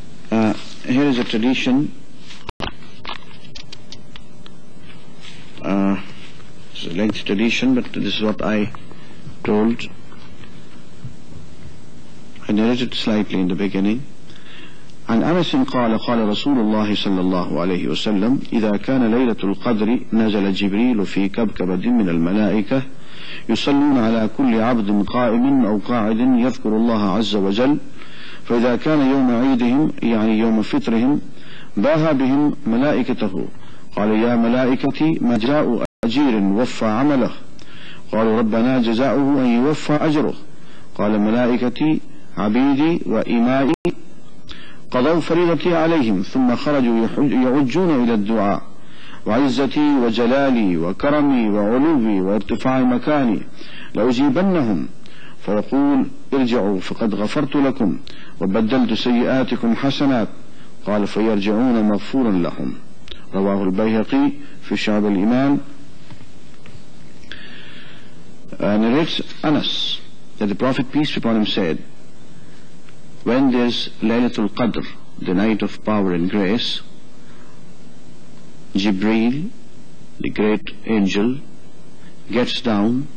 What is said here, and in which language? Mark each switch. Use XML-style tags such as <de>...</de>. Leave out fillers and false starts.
<en>Here is a tradition. It's a lengthy tradition, but this is what I told. I narrated slightly in the beginning.</en> <ar>عن أنس قال قال رسول الله صلى الله عليه وسلم إذا كان ليلة القدر نزل جبريل في كبكبة من الملائكة يصلون على كل عبد قائم أو قاعد يذكر الله عز وجل فإذا كان يوم عيدهم يعني يوم فطرهم باها بهم ملائكته قال يا ملائكتي ما جاء أجير وفى عمله قالوا ربنا جزاؤه أن يوفى أجره قال ملائكتي عبيدي وإمائي قضوا فريضتي عليهم ثم خرجوا يعجون إلى الدعاء وعزتي وجلالي وكرمي وعلوي وارتفاع مكاني لأجيبنهم فيقول ارجعوا فقد غفرت لكم وبدلت سيئاتكم حسنات قال فيرجعون مغفورا لهم رواه البيهقي في شعب الإيمان.</ar> <en>Narrates Anas that the Prophet peace be upon him said, when there's Laylatul Qadr, the night of power and grace, Jibreel, the great angel, gets down</en>